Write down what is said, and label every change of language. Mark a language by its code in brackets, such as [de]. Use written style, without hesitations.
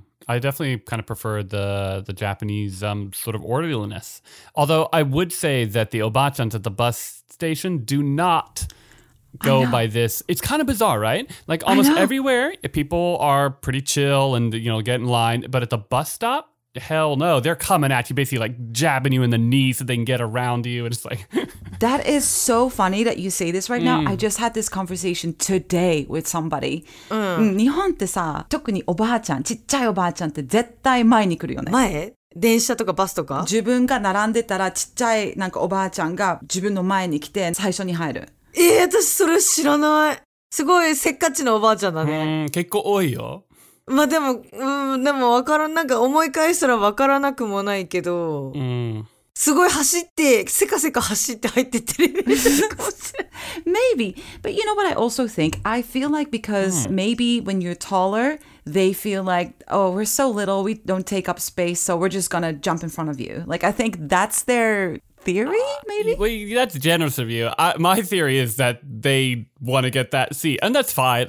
[en] I definitely kind of prefer the Japanese sort of orderliness. Although I would say that the obachans at the bus station do not go by this. It's kind of bizarre, right? Like almost everywhere, people are pretty chill and, you know, get in line. But at the bus stop,Hell no, they're coming at you, basically like jabbing you in the knee so they can get around you. And it's like, that is so funny that you say this right now. I just had this conversation today with somebody. [ja] 日本ってさ、特におばあちゃん、ちっちゃいおばあちゃんって絶対前に来るよね。前？電車とかバスとか自分が並んでたらちっちゃいなんかおばあちゃんが自分の前に来て最初に入る。私それ知らない。すごいせっかちのおばあちゃんだね。うん、結構多いよ。まあでも、うん、でも分からん、なんか思い返したら分からなくもないけど、うん、すごい走ってせかせか走って入ってってる [en] Maybe, but you know what I also think? I feel like because maybe when you're taller, they feel like, oh, we're so little, we don't take up space, so we're just gonna jump in front of you. Like, I think that's their theory, maybe? Well, that's generous of you. My theory is that they want to get that seat, and that's fine.